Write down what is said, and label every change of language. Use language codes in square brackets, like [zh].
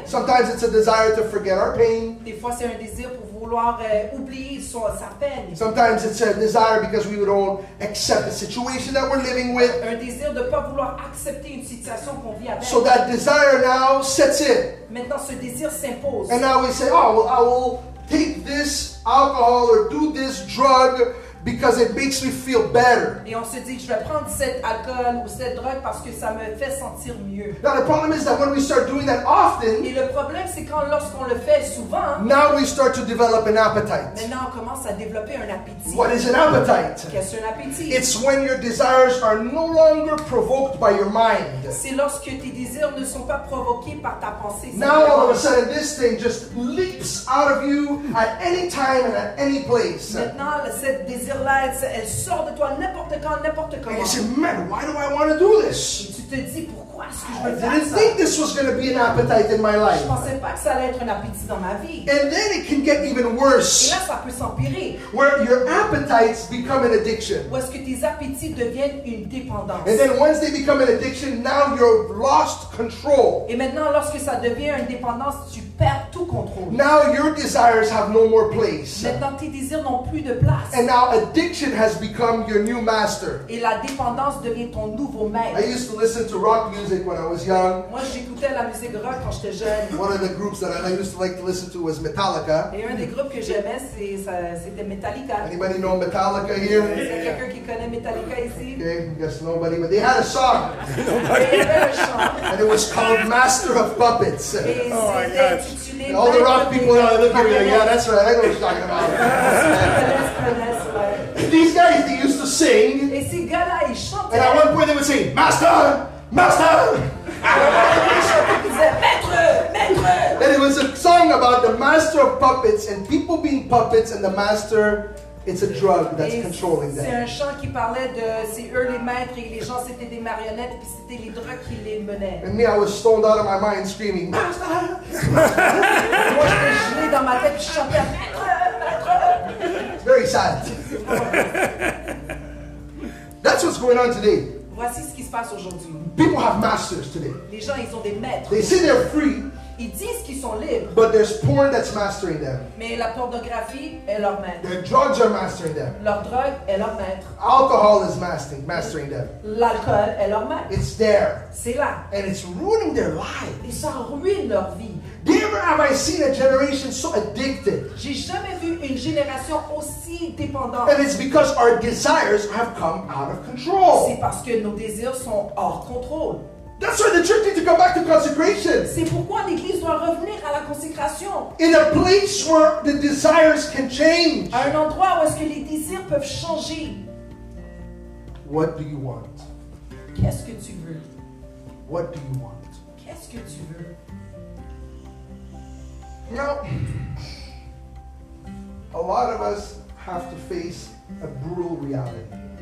[en] Sometimes it's a desire to forget our pain. [fr] Des fois c'est un désir pour vouloir oublier sa peine. [en] Sometimes it's a desire because we don't accept the situation that we're living with. [fr] Un désir de pas vouloir accepter une situation qu'on vit avec. [en] So that desire now sets in. [fr] Maintenant ce désir s'impose. [en] And now we say, oh, well, I will take this alcohol or do this drug because it makes me feel better. [fr] Et on se dit, je vais prendre cet alcool ou cette drogue parce que ça me fait sentir mieux. [en] Now the problem is that when we start doing that often, [fr] et le problème c'est quand lorsqu'on le fait souvent, [en] now we start to develop an appetite. [fr] Maintenant on commence à développer un appétit. [en] What is an appetite? [fr] Qu'est-ce qu'un appétit? [en] It's when your desires are no longer provoked by your mind. [fr] C'est lorsque tes désirs ne sont pas provoqués par ta pensée. [en] Now all of a sudden this thing just leaps out of you at any time and at any place. [fr] Maintenant cette désir là, elle sort de toi n'importe quand, n'importe comment. [en] And you say, man, why do I want to do this? [fr] Et tu te dis, pourquoi est-ce que je veux [en] I didn't [fr] ça? [en] This was going to be an appetite in my life. [fr] Je pensais pas que ça allait être un appétit dans ma vie. [en] And then it can get even worse. [fr] Et là, ça peut s'empirer. [en] Where your appetites become an addiction. [fr] Où est-ce que tes appétits deviennent une dépendance. [en] And then once they become an addiction, now you've lost control. [fr] Et maintenant, lorsque ça devient une dépendance, tu perds tout contrôle. [en] Now your desires have no more place. [fr] Maintenant, tes désirs n'ont plus de place. [en] And now addiction has become your new master. [fr] Et la dépendance devient ton nouveau maître. [en] I used to listen to rock music when I was young. [fr] Moi, j'écoutais la musique rock quand j'étais jeune. [en] One of the groups that I used to like to listen to was Metallica. [fr] Et un des groupes que j'aimais, c'était Metallica. [en] Anybody know Metallica here? [fr] Yeah. Quelqu'un qui connaît Metallica ici? [en] Okay, guess nobody, but they had a song. Nobody. And it was called Master of Puppets. Et oh my God. And all the rock people are looking at me like, yeah, that's right, I know what you're talking about. These guys, they used to sing. And at one point they would sing, Master! Master! And it was a song about the master of puppets and people being puppets and the master. It's a drug that's [fr] et [en] controlling them. [fr] C'est un chant qui parlait de c'est eux les maîtres et les gens c'était des marionnettes puis c'était les drogues qui les menaient. [en] And me, I was stoned out of my mind screaming. [fr] Moi, j'étais gelé dans ma tête puis je chantais maître, maître. [en] Very sad. That's what's going on today. [fr] Voici ce qui se passe aujourd'hui. [en] People have masters today. [fr] Les gens, ils ont des maîtres. [en] They say they're free. [fr] Ils disent qu'ils sont libres. [en] But there's porn that's mastering them. [fr] Mais la pornographie est leur maître. [en] Their drugs are mastering them. [fr] Leur drogue est leur maître. [en] Alcohol is mastering them. [fr] L'alcool est leur maître. [en] It's there. [fr] C'est là. [en] And it's ruining their life. [fr] Et ça ruine leur vie. [en] Never have I seen a generation so addicted. [fr] J'ai jamais vu une génération aussi dépendante. [en] And it's because our desires have come out of control. [fr] C'est parce que nos désirs sont hors contrôle. [en] That's why the church needs to come back to consecration. [fr] C'est pourquoi l'église doit revenir à la consécration. [en] In a place where the desires can change. [fr] À un endroit où est-ce que les désirs peuvent changer. [en] What do you want? [fr] Qu'est-ce que tu veux? [en] What do you want? [fr] Qu'est-ce que tu veux? [en] Now, a lot of us have to face a brutal reality.